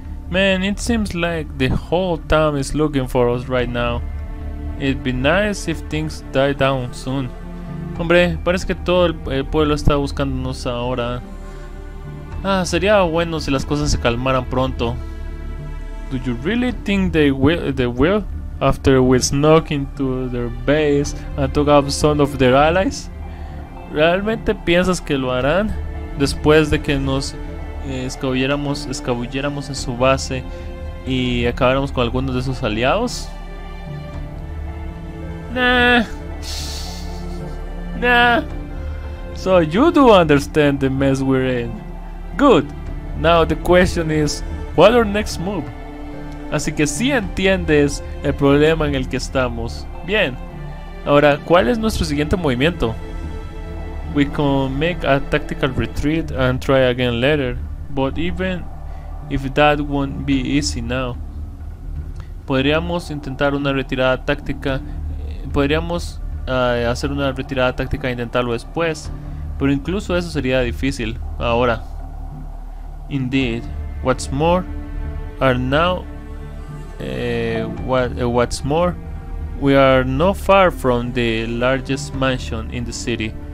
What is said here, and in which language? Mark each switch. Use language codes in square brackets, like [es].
[en] Man, it seems like the whole town is looking for us right now. It'd be nice if things die down soon. [es] Hombre, parece que todo el pueblo está buscándonos ahora. Ah, sería bueno si las cosas se calmaran pronto. [en] Do you really think they will? After we snuck into their base and took out some of their allies? [es] ¿Realmente piensas que lo harán? Después de que nos escabulléramos en su base y acabáramos con algunos de sus aliados? [en] Nah. So you do understand the mess we're in. Good. Now the question is, what's our next move? [es] Así que sí entiendes el problema en el que estamos. Bien. Ahora, ¿cuál es nuestro siguiente movimiento? [en] We can make a tactical retreat and try again later. But even if that won't be easy now. [es] Podríamos intentar una retirada táctica. Podríamos hacer una retirada táctica e intentarlo después. Pero incluso eso sería difícil ahora. Indeed. [en] What's more, we are not far from the largest mansion in the city.